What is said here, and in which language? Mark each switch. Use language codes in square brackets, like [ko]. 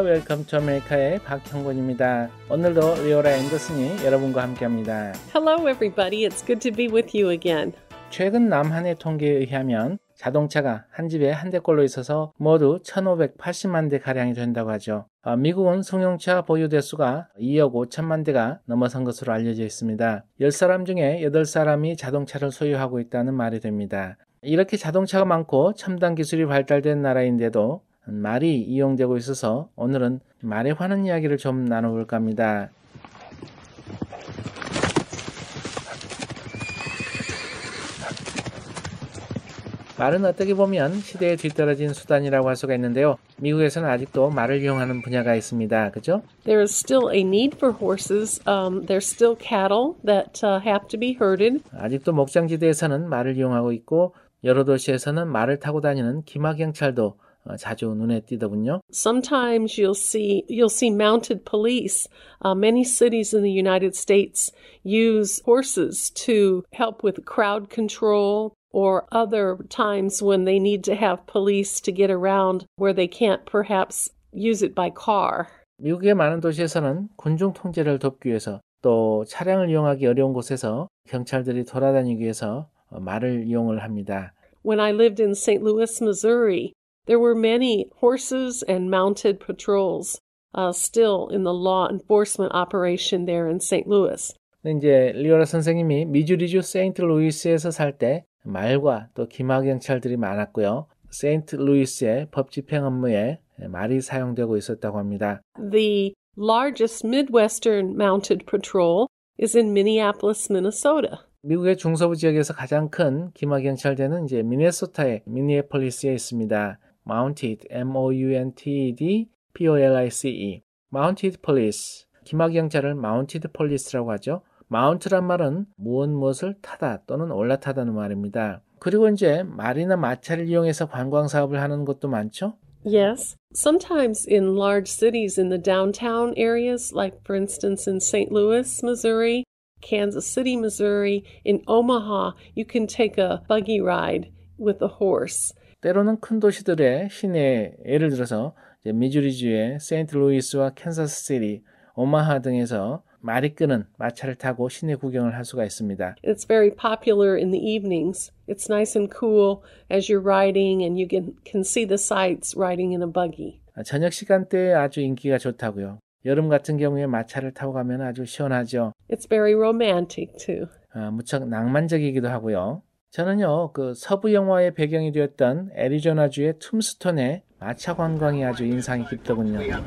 [ko] Welcome to America의 박형곤입니다. 오늘도 리오라 앤더슨이 여러분과 함께합니다. [en] Hello everybody. It's good to be with you again. [ko] 최근 남한의 통계에 의하면 자동차가 한 집에 한 대꼴로 있어서 모두 1580만 대가량이 된다고 하죠. 미국은 승용차 보유 대수가 2억 5천만 대가 넘어선 것으로 알려져 있습니다. 10사람 중에 8사람이 자동차를 소유하고 있다는 말이 됩니다. 이렇게 자동차가 많고 첨단 기술이 발달된 나라인데도 말이 이용되고 있어서 오늘은 말에 관한 이야기를 좀 나눠볼까 합니다. 말은 어떻게 보면 시대에 뒤떨어진 수단이라고 할 수가 있는데요. 미국에서는 아직도 말을 이용하는 분야가 있습니다. 그죠? [en] There is still a need for horses. There's still cattle that have to be herded. [ko] 아직도 목장지대에서는 말을 이용하고 있고 여러 도시에서는 말을 타고 다니는 기마경찰도 자주 눈에 띄더군요. [en] Sometimes you'll see mounted police. Many cities in the United States use horses to help with crowd control. Or other times when they need to have police to get around where they can't perhaps use it by car. [ko] 미국의 많은 도시에서는 군중 통제를 돕기 위해서 또 차량을 이용하기 어려운 곳에서 경찰들이 돌아다니기 위해서 말을 이용을 합니다. [en] When I lived in St. Louis, Missouri, there were many horses and mounted patrols still in the law enforcement operation there in St. Louis. [ko] 이제 리오라 선생님이 미주리주 세인트 루이스에서 살 때 말과 또 기마경찰들이 많았고요. 세인트 루이스의 법집행 업무에 말이 사용되고 있었다고 합니다. [en] The largest Midwestern mounted patrol is in Minneapolis, Minnesota. [ko] 미국의 중서부 지역에서 가장 큰 기마경찰대는 이제 미네소타의 미니애폴리스에 있습니다. [en] Mounted, M-O-U-N-T-E-D, P-O-L-I-C-E. Mounted Police. [ko] 기마경찰을 Mounted Police라고 하죠. Mount란 말은 무엇을 타다 또는 올라타다는 말입니다. 그리고 이제 말이나 마차를 이용해서 관광 사업을 하는 것도 많죠? [en] Yes. Sometimes in large cities in the downtown areas, like for instance in St. Louis, Missouri, Kansas City, Missouri, in Omaha, you can take a buggy ride with a horse. [ko] 때로는 큰 도시들의 시내에 예를 들어서 이제 미주리주의 세인트 루이스와 캔자스 시티, 오마하 등에서 말이 끄는 마차를 타고 시내 구경을 할 수가 있습니다. [en] It's very popular in the evenings. It's nice and cool as you're riding and you can see the sights riding in a buggy. [ko] 저녁 시간대에 아주 인기가 좋다고요. 여름 같은 경우에 마차를 타고 가면 아주 시원하죠. [en] It's very romantic too. [ko] 무척 낭만적이기도 하고요. 저는요, 그 서부 영화의 배경이 되었던 애리조나주의 툼스톤에 마차 관광이 아주 인상이 깊더군요.